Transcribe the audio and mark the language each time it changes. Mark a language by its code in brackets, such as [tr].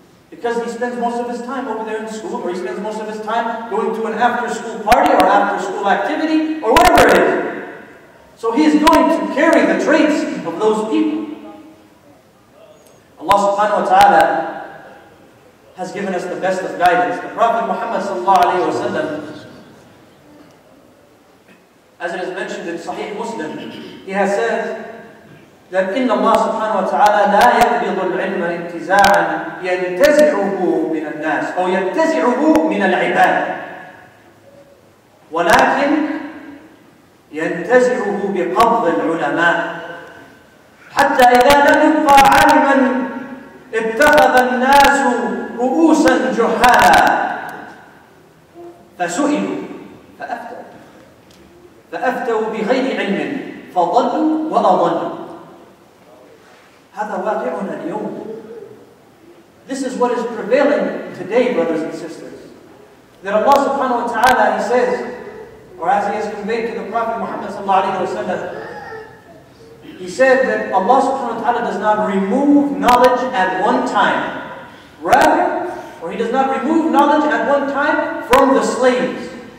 [en] Because he spends most of his time over there in school, or he spends most of his time going to an after-school party or after-school activity, or whatever it is. So he is going to carry the traits of those people. Allah subhanahu wa ta'ala has given us the best of guidance. The Prophet Muhammad sallallahu alayhi wa sallam, as it is mentioned in Sahih Muslim, he has said that [ar] إِنَّ اللَّهَ سُبْحَانَهُ وَتَعَالَى لَا يَقْبِضُ الْعِلْمَ إِنْتِزَاعًا يَنْتَزِعُهُ مِنَ النَّاسِ أو يَنْتَزِعُهُ مِنَ الْعِبَادِ وَلَكِنْ يَنْتَزِعُهُ بِقَبْضِ الْعُلَمَاءِ حتى إذا لم يبقى عالما اتخذ الناس رؤوسا جهالا فسئلوا فأفتوا بغير علم فضلوا وأضلوا. هذا واقعنا اليوم. [en] This is what is prevailing today, brothers and sisters. That Allah subhanahu wa ta'ala, He says, or as He has conveyed to the Prophet Muhammad sallallahu alayhi wa sallam, He said that Allah subhanahu wa ta'ala does not remove knowledge at one time. Rather, or He does not remove knowledge at one time from the slaves.